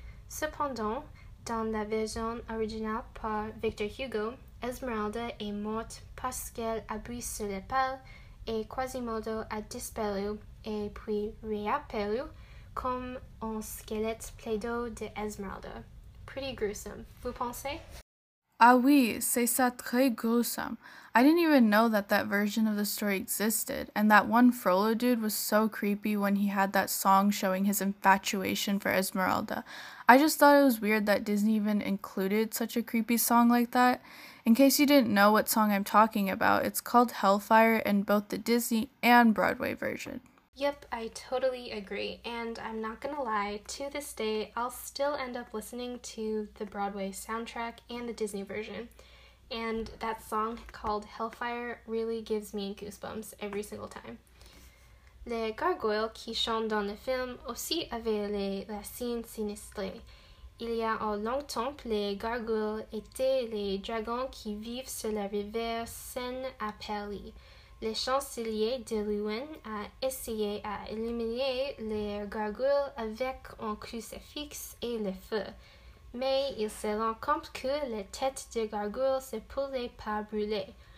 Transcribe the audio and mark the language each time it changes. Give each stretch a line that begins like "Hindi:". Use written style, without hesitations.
French: Cependant, dans la version originale par Victor Hugo, Esmeralda est morte parce qu'elle a bu sur les pales et Quasimodo a disparu et puis réapparu comme un squelette plein d'eau de Esmeralda.
English: Pretty gruesome,
French: vous pensez? Ah oui, c'est ça très gruesome.
English: I didn't even know that that version of the story existed, and that one Frollo dude was so creepy when he had that song showing his infatuation for Esmeralda. I just thought it was weird that Disney even included such a creepy song like that. In case you didn't know what song I'm talking about, it's called Hellfire in both the Disney and Broadway version. Yep, I totally agree, and I'm not gonna lie, to this day, I'll still end up listening to the Broadway soundtrack and the Disney version, and that song called Hellfire really gives me goosebumps every single time.
French: Les gargoyles qui chantent dans le film aussi avaient les racines sinistrées. Il y a un long temps, les gargoyles étaient les dragons qui vivent sur la rivière Seine à Paris. Le chancelier de Rouen a essayé à éliminer les gargouilles avec un crucifix et le feu, mais il se rend compte que les têtes des gargouilles ne pouvaient pas brûler.